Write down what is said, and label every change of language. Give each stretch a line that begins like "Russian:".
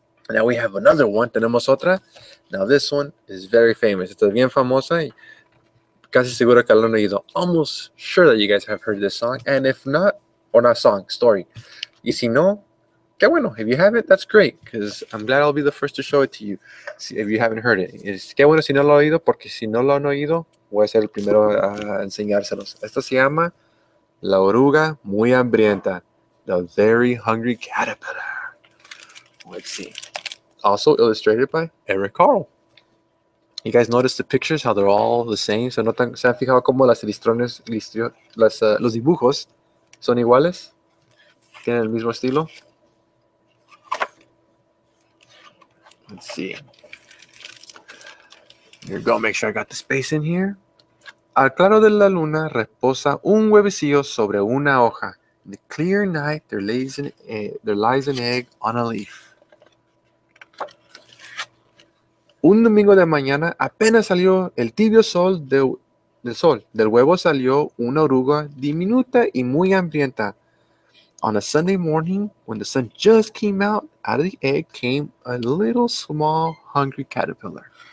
English: Now we have another one.
Spanish: Tenemos otra.
English: Now this one is very famous.
Spanish: Esta es bien famosa. Y casi seguro que lo han oído.
English: Almost sure that you guys have heard this song. And if not, or not song, story.
Spanish: Y si no, qué bueno.
English: If you have it, that's great. Because I'm glad I'll be the first to show it to you. If you haven't heard it.
Spanish: Es qué bueno si no lo han oído. Porque si no lo han oído, voy a ser el primero a enseñárselos. Esto se llama La Oruga Muy Hambrienta.
English: The Very Hungry Caterpillar. Let's see. Also illustrated by Eric Carle. You guys notice the pictures, how they're all the same?
Spanish: So, ¿se han fijado cómo las ilustraciones, los dibujos son iguales? ¿Tienen el mismo estilo?
English: Let's see. Here we go. Make sure I got the space in here.
Spanish: Al claro de la luna reposa un huevecillo sobre una hoja.
English: In the clear night, there lies an egg on a leaf.
Spanish: Un domingo de mañana, apenas salió el tibio sol del huevo salió una oruga diminuta y muy hambrienta.
English: On a Sunday morning, when the sun just came out of the egg came a little small hungry caterpillar.